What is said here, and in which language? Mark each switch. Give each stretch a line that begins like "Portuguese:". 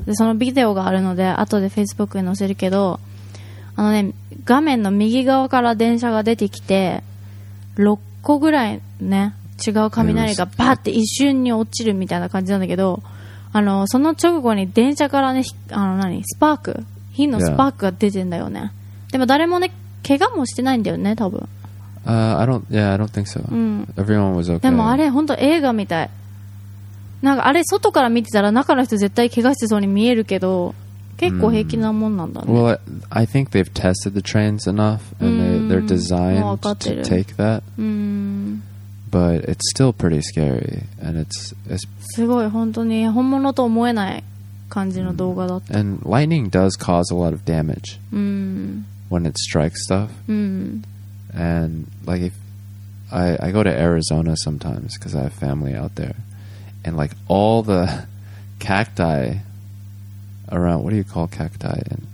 Japanese: でそのビデオがあるので後で Facebook に載せるけど、あのね、画面の右側から電車が出てきて6個ぐらいね違う雷がバーって一瞬に落ちるみたいな感じなんだけど、あのその直後に電車からね、あの何、スパーク、火のスパークが出てんだよね。でも誰もね怪我もしてないんだよね多分。
English: I don't think so. Everyone was okay.
Japanese: でもあれ本当映画みたい。なんかあれ外から見てたら中の人絶対怪我してそうに見えるけど、結構平気なもんなんだね。
English: Well, I think they've tested the trains enough and they're designed to take that. But it's still pretty scary and it's
Japanese: すごい本当に本物と思えない感じの動画だった。
English: And lightning does cause a lot of damage when it strikes stuff. And like if I go to Arizona sometimes because I have family out there. And like all the cacti around, what do you call cacti? And